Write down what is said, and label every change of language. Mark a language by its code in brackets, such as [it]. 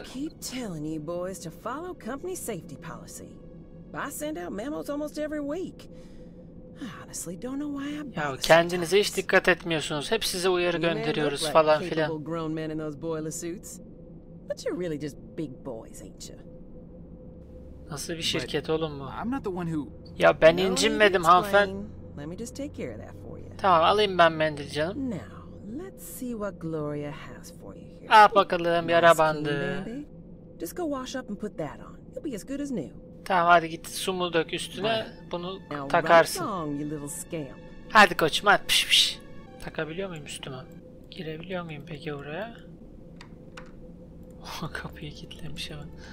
[en] I keep telling you boys to follow company safety policy. I send out memos almost every week. Honestly, don't know why I bother. [tr] Ya kendinize hiç dikkat etmiyorsunuz. Hep size uyarı gönderiyoruz falan filan. [en] You're grown men in those boiler suits. But you're really just big boys, ain't you? [tr] Nasıl bir şirket oğlum bu? [en] I'm not the one who. [tr] Ya ben incinmedim hanımefendi. [en] Let me just take care of that for you. [tr] Tamam, alayım ben mendil canım. [en] Now, let's see what Gloria has for you here. [tr] Ah bakalım, yara bandı. [en] Just go wash up and put that on. You'll be as good as new. [tr] Tamam hadi git sumul dök üstüne, bunu takarsın. Hadi koçum hadi pış pış. Takabiliyor muyum üstüme? Girebiliyor muyum peki oraya? Kapıyı kilitlemiş ama.